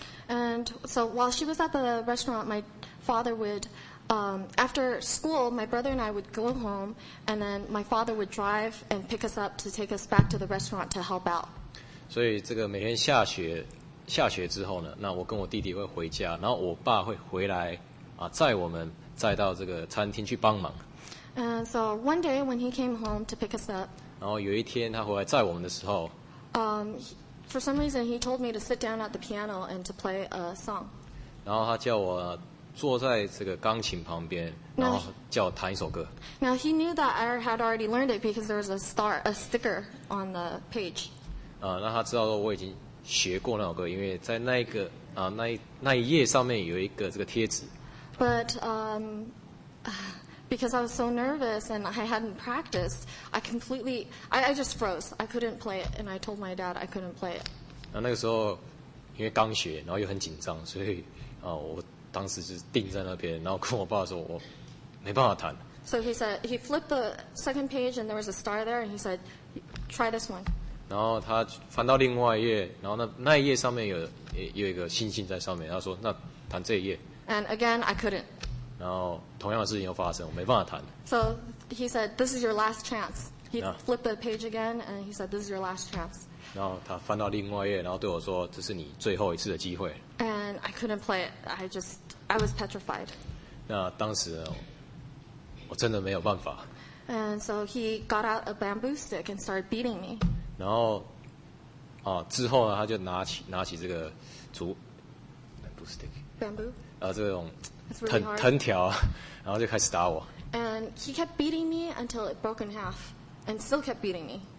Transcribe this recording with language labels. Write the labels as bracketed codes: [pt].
[en] And so while she was at the restaurant, my father would, after school, my brother and I would go home, and then my father would drive and pick us up to take us back to the restaurant to help out. [zh] 所以这个每天下学之后呢，那我跟我弟弟会回家，然后我爸会回来载我们再到这个餐厅去帮忙。 [en] And so one day when he came home to pick us up. [zh] 然后有一天他回来载我们的时候。 [en] For some reason, he told me to sit down at the piano and to play a song. [zh] 然后他叫我坐在这个钢琴旁边，然后叫我弹一首歌。 [en] Now he knew that I had already learned it because there was a sticker on the page. [zh] 那他知道说我已经学过那首歌，因为在那一个那一页上面有一个这个贴纸。 [en] But because I was so nervous and I hadn't practiced, I just froze. I couldn't play it, and I told my dad I couldn't play it. [zh] 那个时候，因为刚学，然后又很紧张，所以我当时就定在那边，然后跟我爸说，我没办法弹。 [en] So he said he flipped the second page and there was a star there, and he said, try this one. [zh] 然后他翻到另外一页，然后那一页上面有一个星星在上面，他说那弹这一页。 [en] And again, I couldn't. [zh] 然后同样的事情又发生，我没办法弹。 [en] So he said, "This is your last chance." He flipped the page again, and he said, "This is your last chance." [zh] 然后他翻到另外一页，然后对我说，这是你最后一次的机会。 [en] And I couldn't play it. I was petrified. [zh] 那当时我真的没有办法。 [en] And so he got out a bamboo stick and started beating me. [zh] 然后之后呢，他就拿起这个竹 [en] bamboo stick bamboo [zh] 这种藤条，然后就开始打我。 [en] And he kept beating me until it broke in half, and still kept beating me.